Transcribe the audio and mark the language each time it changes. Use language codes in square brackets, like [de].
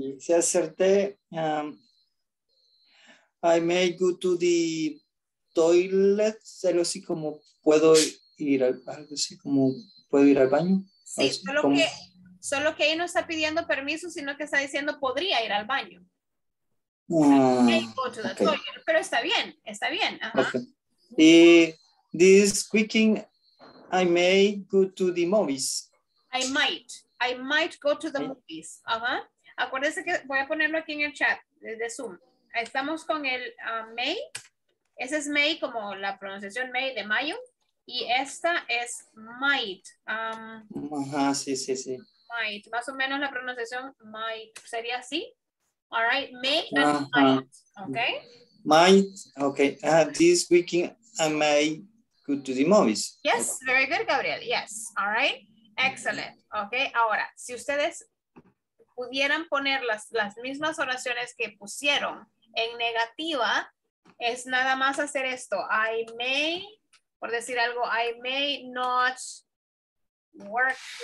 [es] Si acerté, [en] I may go to the toilet, [es] pero sí, como puedo ir al baño, sí, como puedo ir al baño. Sí, así, solo como... que solo que ahí no está pidiendo permiso, sino que está diciendo podría ir al baño. Pero está bien, está bien. [en] Y this weekend I may go to the movies. I might go to the movies. [es] Acuérdense que voy a ponerlo aquí en el chat de Zoom. Estamos con el may. Ese es may, como la pronunciación may de mayo. Y esta es might. Sí. [en] Might. [es] Más o menos la pronunciación might sería así. [en] All right, may and might. Okay. Might. Okay. This weekend I may go to the movies. Yes, very good, Gabriel. Yes. All right. Excellent. Okay. [es] Ahora, si ustedes pudieran poner las mismas oraciones que pusieron en negativa, es nada más hacer esto. [en] I may, [es] por decir algo, [en] I may not work.